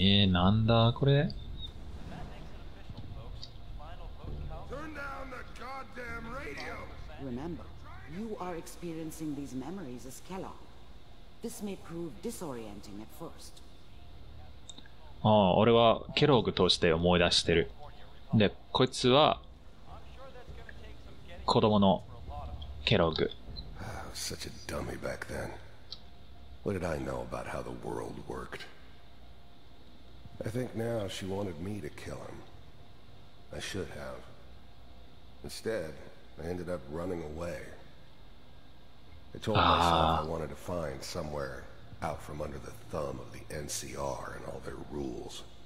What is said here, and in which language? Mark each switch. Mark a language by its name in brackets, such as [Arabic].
[Japanese] なんだこれ? [English] Turn down the goddamn radio! Remember, you are experiencing these memories as Kellogg. This may prove disorienting at first. [Japanese] ああ、俺はケローグとして思い出してる。で、こいつは子供のケローグ。 [English] Such a dummy back then. What did I know about how the world worked? I think now she wanted me to kill him. I should have. Instead, I ended up running away. I told myself I wanted to find somewhere out from under the thumb of the NCR and all their rules.